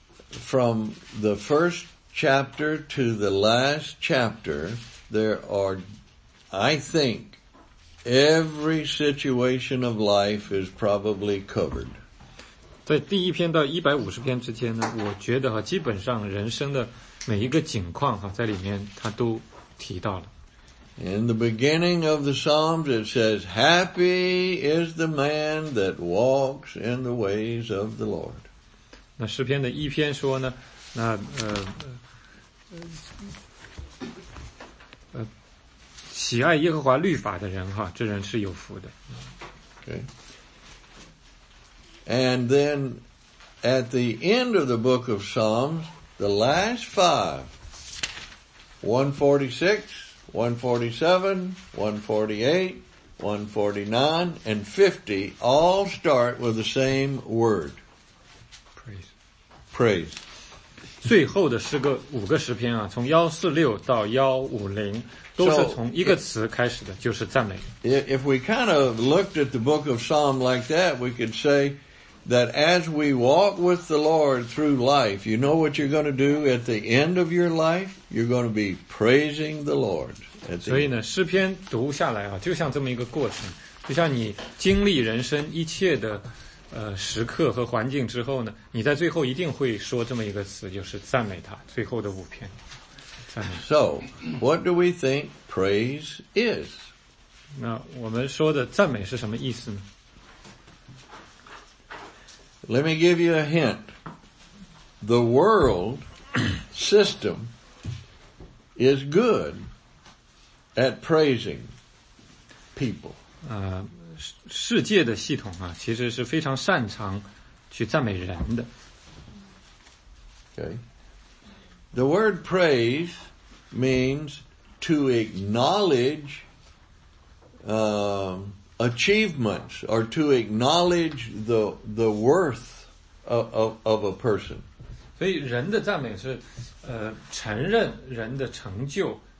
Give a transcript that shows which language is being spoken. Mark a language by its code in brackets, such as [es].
[en] From the first chapter to the last chapter, there are, I think, every situation of life is probably covered. [zh] 在第一篇到150篇之间呢，我觉得基本上人生的每一个景况在里面他都提到了。 [en] In the beginning of the Psalms, it says, Happy is the man that walks in the ways of the Lord. [zh] 那诗篇的一篇说呢，那喜爱耶和华律法的人哈，这人是有福的。 [en] Okay. And then at the end of the book of Psalms, the last five, 146, 147, 148, 149, and 50 all start with the same word. Praise. [zh] 最后的诗歌五个诗篇啊，从146到150，都是从一个词开始的，就是赞美。 [en] If we kind of looked at the book of Psalm like that, we could say that as we walk with the Lord through life, you know what you're going to do at the end of your life? You're going to be praising the Lord. [zh] 所以呢，诗篇读下来啊，就像这么一个过程，就像你经历人生一切的时刻和环境之后呢，你在最后一定会说这么一个词，就是赞美他。最后的五篇，赞美。 [en] So, what do we think praise is? [zh] 那我们说的赞美是什么意思呢？ [en] Let me give you a hint. The world system is good at praising people. [zh] 世界的系统啊，其实是非常擅长去赞美人的。 [en] Okay. The word praise means to acknowledge achievements or to acknowledge the worth of a person. [zh] 所以人的赞美是承认人的成就。